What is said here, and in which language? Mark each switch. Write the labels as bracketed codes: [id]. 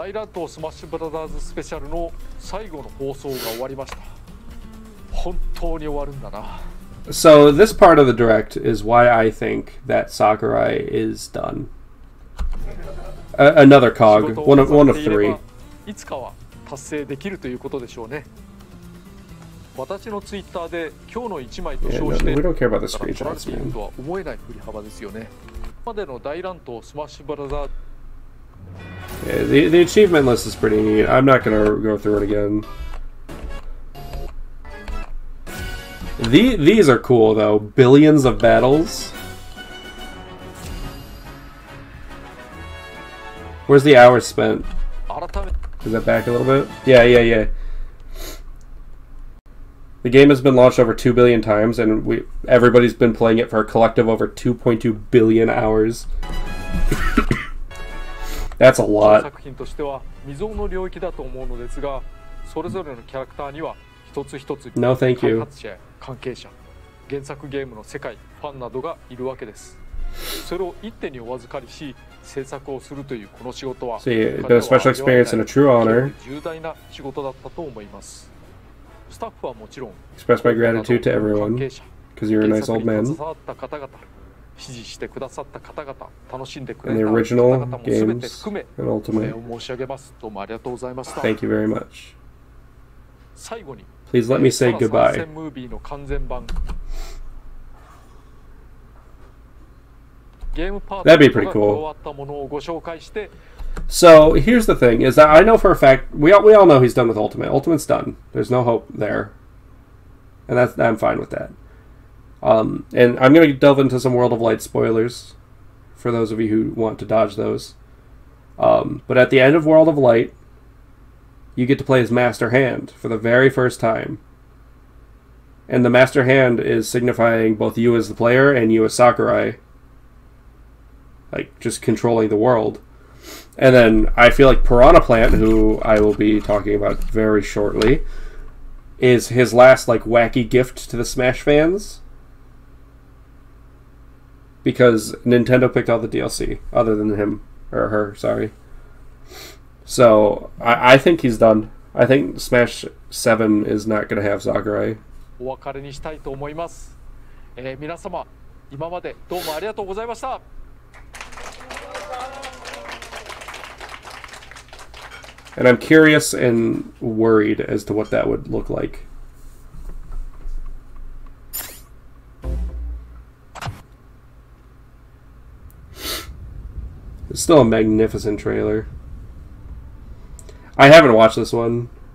[ja] 大乱闘スマッシュブラザーズスペシャルの最後の放送が終わりました。本当に終わるんだな。 [en] So this part of the direct is why I think that Sakurai is done. Another cog, one of three. [ja] いつかは達成できるということでしょうね。私のツイッターで今日の一枚と称して、 [en] we don't care about the screenshots, man. [ja] とは思えない振り幅ですよね。今までの大乱闘スマッシュブラザーズ。 [en] Yeah, the achievement list is pretty neat. I'm not gonna go through it again. These are cool though. Billions of battles. Where's the hours spent? Is that back a little bit? Yeah. The game has been launched over 2 billion times and everybody's been playing it for a collective over 2.2 billion hours. That's a lot. [ja] この作品としては未曾有の領域だと思うのですが、それぞれのキャラクターには一つ一つ [en] No, thank you. [ja] 開発者、関係者、原作ゲームの世界、ファンなどがいるわけです。それを一手にお預かりし、制作をするというこの仕事は、 [en] See, it's been a special experience and a true honor. [ja] 重大な仕事だったと思います。スタッフはもちろん、 [en] Express my gratitude to everyone. Because you're a nice old man. [ja] 原作に携わった方々支持してくださった方々、楽しんでくれた方々も全て含め、お礼を申し上げます。どうもありがとうございました。 [en] Thank you very much. [ja] 最後に、 [en] Please let me say goodbye. [ja] サラ参戦ムービーの完全版。ゲームパート [en] That'd be pretty cool. [ja] 終わったものをご紹介して。 [en] So here's the thing: is that I know for a fact we all know he's done with Ultimate. Ultimate's done. There's no hope there, and that's I'm fine with that. And I'm going to delve into some World of Light spoilers for those of you who want to dodge those. But at the end of World of Light, you get to play as Master Hand for the very first time. And the Master Hand is signifying both you as the player and you as Sakurai. Like, just controlling the world. And then I feel like Piranha Plant, who I will be talking about very shortly, is his last, like, wacky gift to the Smash fans. Because Nintendo picked all the DLC, other than him, or her, sorry. So, I think he's done. I think Smash 7 is not going to have Sakurai. [ja] お別れにしたいと思います。皆様、今までどうもありがとうございました。 [en] And I'm curious and worried as to what that would look like. It's still a magnificent trailer. I haven't watched this one.